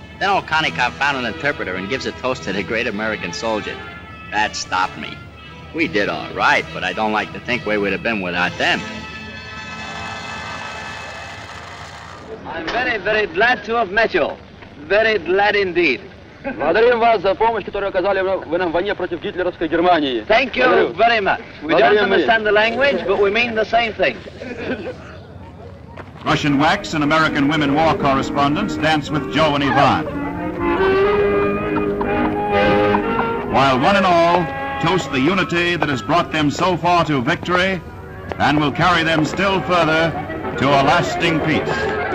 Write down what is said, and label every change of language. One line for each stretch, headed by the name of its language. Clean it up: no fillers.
English: Then old Konnikov found an interpreter and gives a toast to the great American soldier. That stopped me. We did all right, but I don't like to think where we'd have been without them. I'm very, very glad to have met you. Very glad indeed.
Russian: Благодарим вас за помощь, которую оказали вы нам в войне против гитлеровской Германии.
English: Thank you very much. We don't understand the language, but we mean the same thing. Russian wax and American women war correspondents dance with Joe and Yvonne. While one and all toast the unity that has brought them so far to victory and will carry them still further to a lasting peace.